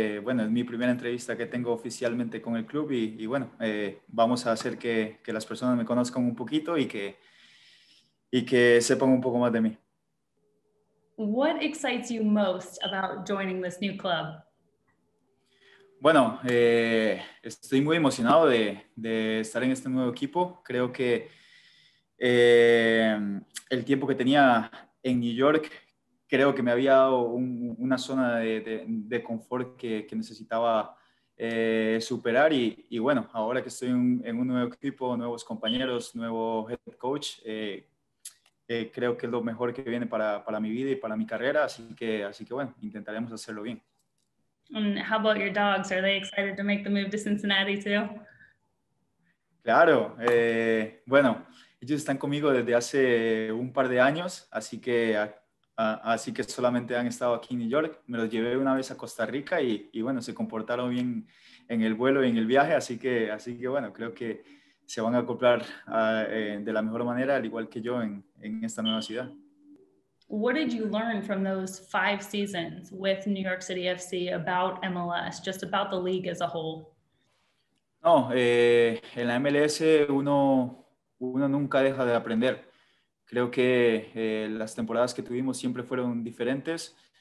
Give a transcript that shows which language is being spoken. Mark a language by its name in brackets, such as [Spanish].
[Spanish] Bueno, es mi primera entrevista que tengo oficialmente con el club y bueno, vamos a hacer que las personas me conozcan un poquito y que sepan un poco más de mí. [English] What excites you most about joining this new club? [Spanish] Bueno, estoy muy emocionado de estar en este nuevo equipo. Creo que el tiempo que tenía en New York creo que me había dado una zona de confort que necesitaba superar y bueno, ahora que estoy en un nuevo equipo, nuevos compañeros, nuevo head coach, creo que es lo mejor que viene para mi vida y para mi carrera, así que bueno, intentaremos hacerlo bien. [English] And how about your dogs? Are they excited to make the move to Cincinnati too? [Spanish] Claro, bueno, ellos están conmigo desde hace un par de años, así que solamente han estado aquí en New York. Me los llevé una vez a Costa Rica y bueno, se comportaron bien en el vuelo y en el viaje. Así que bueno, creo que se van a acoplar de la mejor manera, al igual que yo, en esta nueva ciudad. [English] What did you learn from those five seasons with New York City FC about MLS, just about the league as a whole? [Spanish] No, en la MLS uno nunca deja de aprender. Creo que las temporadas que tuvimos siempre fueron diferentes.